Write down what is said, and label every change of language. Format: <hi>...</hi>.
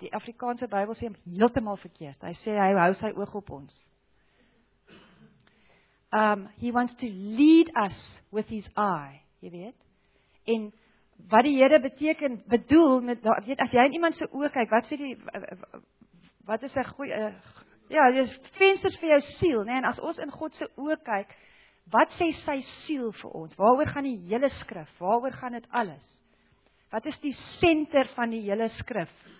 <af>Die Afrikaanse Bybel sê hem heeltemal verkeerd. Hy sê, hy hou sy oog op ons.</af> <en>He wants to lead us with his eye.</en> <af>Jy weet, en wat die Here beteken, bedoel, met, weet, as jy in iemand se oog kyk, wat sê die, wat is sy goeie, ja, dis vensters vir jou siel, nee, en as ons in God se oog kyk, wat sê sy siel vir ons? Waaroor gaan die hele skrif? Waaroor gaan dit alles? Wat is die senter van die hele skrif?</af>